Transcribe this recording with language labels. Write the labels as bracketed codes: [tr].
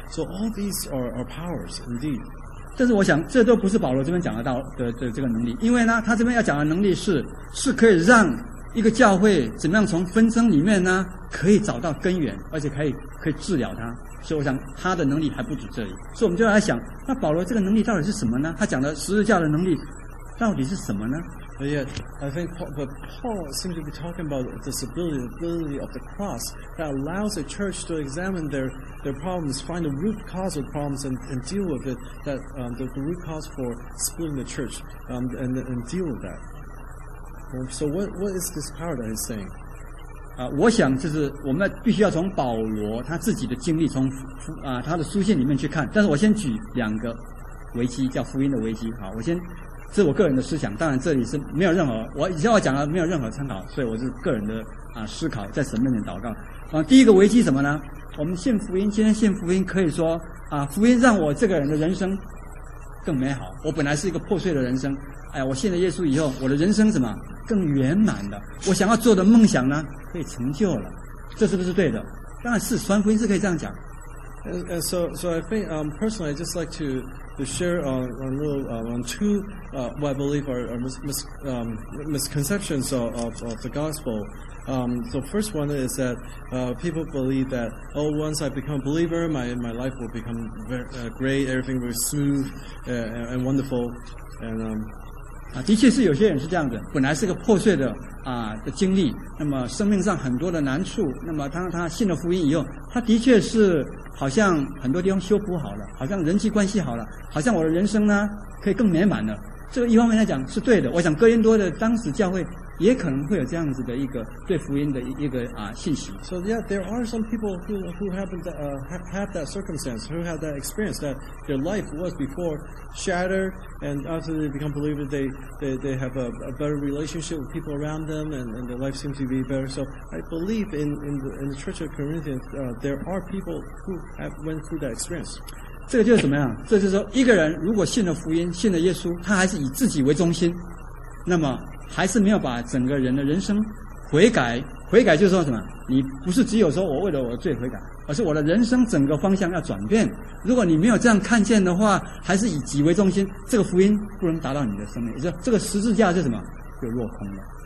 [en] So all these are powers, indeed. [zh] 但是我想这都不是保罗这边讲得到的这个能力，因为呢，他这边要讲的能力是可以让一个教会怎么样从纷争里面呢，可以找到根源，而且可以治疗它。所以我想他的能力还不止这里，所以我们就来想，那保罗这个能力到底是什么呢？他讲的十字架的能力到底是什么呢？ [en] But yet, I think Paul seems to be talking about the ability of the cross that allows a church to examine their problems, find the root cause of problems and deal with it, that the root cause for splitting the church, and deal with that. So what is this power that he's saying? [zh] 啊，我想就是我们必须要从保罗他自己的经历，从他的书信里面去看。但是我先举两个危机，叫福音的危机。好，我先。这是我个人的思想，当然这里是没有任何我以前我讲了没有任何参考，所以我是个人的思考，在神面前祷告。第一个危机什么呢？我们信福音，今天信福音可以说啊，福音让我这个人的人生更美好。我本来是一个破碎的人生，哎，我信了耶稣以后，我的人生什么更圆满的，我想要做的梦想呢被成就了，这是不是对的？当然是，传福音是可以这样讲。 [en] And so I think personally, I'd just like to share on two what I believe are misconceptions of the gospel. The first one is that people believe that, oh, once I become a believer, my life will become great, everything will be smooth and wonderful. And, [zh] 的确是有些人是这样子，本来是个破碎 的经历，那么生命上很多的难处，那么当他信了福音以后，他的确是好像很多地方修补好了，好像人际关系好了，好像我的人生呢可以更美满了。这个一方面来讲是对的，我想哥林多的当时教会也可能会有这样子的一个对福音的一个信息。 [en] So yeah, there are some people who happened to have that circumstance, who had that experience that their life was before shattered, and after they become believers, they have a better relationship with people around them, and their life seems to be better. So I believe in the Church of Corinthians, there are people who have went through that experience. [zh] 这个就是怎么样？这就是说，一个人如果信了福音，信了耶稣，他还是以自己为中心，那么还是没有把整个人的人生悔改，悔改就是说什么，你不是只有说我为了我的罪悔改，而是我的人生整个方向要转变。如果你没有这样看见的话，还是以己为中心，这个福音不能达到你的生命，就这个十字架是什么，就落空了。